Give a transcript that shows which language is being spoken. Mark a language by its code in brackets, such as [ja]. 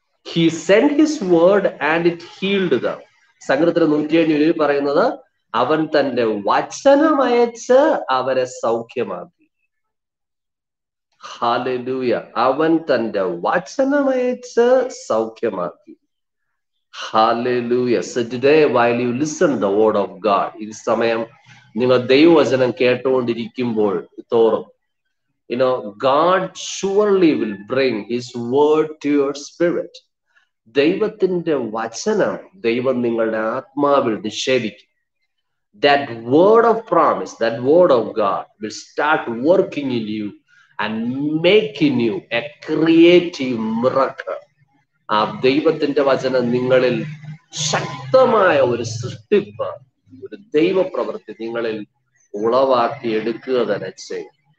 [en] He sent his word and it healed them. [ml] സംഗീതത്തിലെ 107 പറയുന്നത്, അവൻ തന്റെ വചനം അയച്ച് അവരെ സൗഖ്യമാക്കി. ഹല്ലേലൂയ. അവൻ തന്റെ വചനം അയച്ച് സൗഖ്യമാക്കി. Hallelujah. [en] So today, while you listen the word of God, [ml] ഈ സമയം നിങ്ങൾ ദൈവവചനം കേട്ടുകൊണ്ടിരിക്കുമ്പോൾ തോറും, [en] you know, God surely will bring his word to your spirit. [ml] ദൈവത്തിന്റെ വചനം ദൈവം നിങ്ങളുടെ ആത്മാവിൽ നിക്ഷേപിക്കും. [en] That word of promise, that word of God will start working in you and making you a creative miracle. [ml] ആ ദൈവത്തിന്റെ വചനം നിങ്ങളിൽ ശക്തമായ ഒരു സൃഷ്ടിപ്പ്, ഒരു ദൈവപ്രവൃത്തി നിങ്ങളിൽ ഉളവാക്കി എടുക്കുക തന്നെ ചെയ്യും.